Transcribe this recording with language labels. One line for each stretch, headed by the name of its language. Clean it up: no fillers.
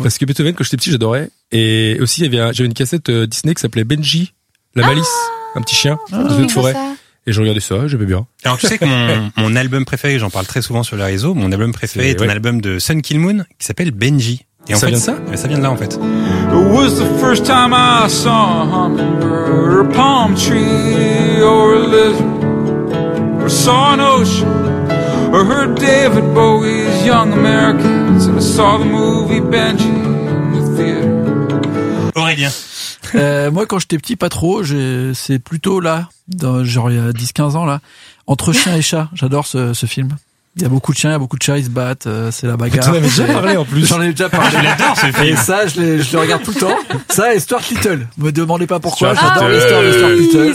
French: Parce que Beethoven, quand j'étais petit, j'adorais. Et aussi, j'avais une cassette Disney qui s'appelait Benji, la malice, un petit chien de forêt. Et je regardais ça, j'aimais bien. Alors tu sais que mon album préféré, j'en parle très souvent sur les réseaux, mon album préféré est un album de Sun Kil Moon qui s'appelle Benji. Et en fait, vient de ça? Mais ça vient de là en fait.
English: It was the first time I saw her, a palm tree or a lizard, or saw an ocean, or heard David Bowie's Young Americans, and I saw the movie Benji in the theater.
French: Aurélien. Moi quand j'étais petit, pas trop, c'est plutôt là, genre il y a 10-15 ans là, Entre chien et chat, j'adore ce film. Il y a beaucoup de chiens, il y a beaucoup de chats, ils se battent, c'est la bagarre. J'en avais déjà parlé en plus. J'en ai déjà parlé. Je l'adore ce film. Et ça, je le regarde tout le temps. Ça et Stuart Little, me demandez pas pourquoi, j'adore Stuart Little.